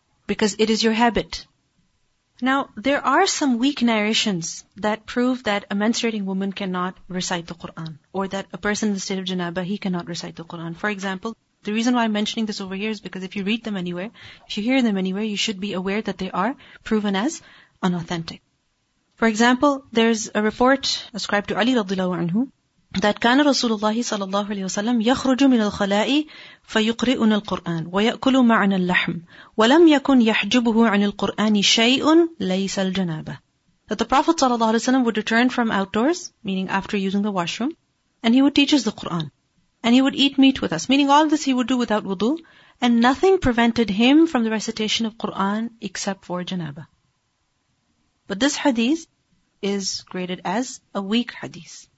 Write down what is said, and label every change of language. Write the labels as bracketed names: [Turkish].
[English] Because it is your habit. Now, there are some weak narrations that prove that a menstruating woman cannot recite the Qur'an. Or that a person in the state of Janaba, he cannot recite the Qur'an. For example, the reason why I'm mentioning this over here is because if you read them anywhere, if you hear them anywhere, you should be aware that they are proven as unauthentic. For example, there's a report ascribed to Ali radiallahu anhu. [Arabic] that كان رسول الله صلى الله عليه وسلم يخرج من الخلاء فيقرئنا القرآن ويأكل معنا اللحم ولم يكن يحجبه عن القرآن شيء ليس الجنابة. [English] That the Prophet [Arabic] صلى الله عليه وسلم [English] would return from outdoors, meaning after using the washroom, and he would teach us the Quran, and he would eat meat with us, meaning all this he would do without wudu, and nothing prevented him from the recitation of Quran except for janaba. But this hadith is graded as a weak hadith.